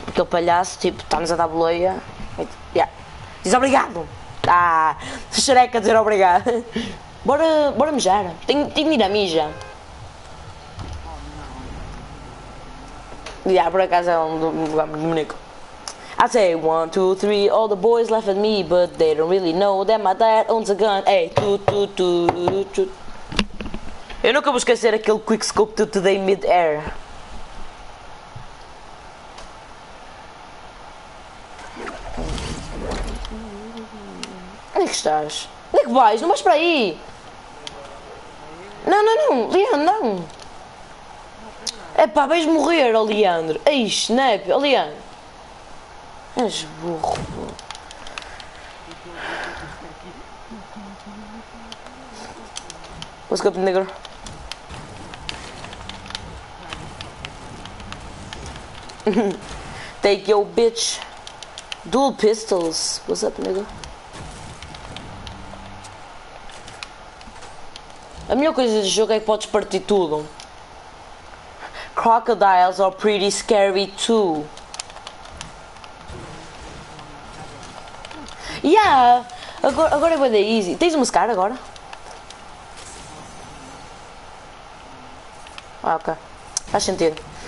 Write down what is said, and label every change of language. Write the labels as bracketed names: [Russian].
[Portuguese] Aquele palhaço, tipo, está-nos a dar boleia. Diz obrigado. Ah, xereca dizer obrigado. Bora mijar. Tenho de ir à mija. Yeah, por acaso é um lugar muito bonito. [English] I say 1, 2, 3, all the boys laugh at me, but they don't really know that my dad owns a gun. [Portuguese] Ei, tu. Eu nunca vou esquecer aquele quickscope do Today mid-air. Onde é que estás? Onde é que vais? Não vais para aí! Não, Leandro, não! É pá, vais morrer, oh Leandro! Ei, Snap, oh Leandro! És burro. [English] What's up, nigger? Take your bitch. Dual pistols. What's up, nigger? [Portuguese] A melhor coisa desse jogo é que podes partir tudo. [English] Crocodiles are pretty scary too. [Portuguese] Yeah! Agora vai dar easy. Tens uma scar agora? Ah, ok. Faz sentido.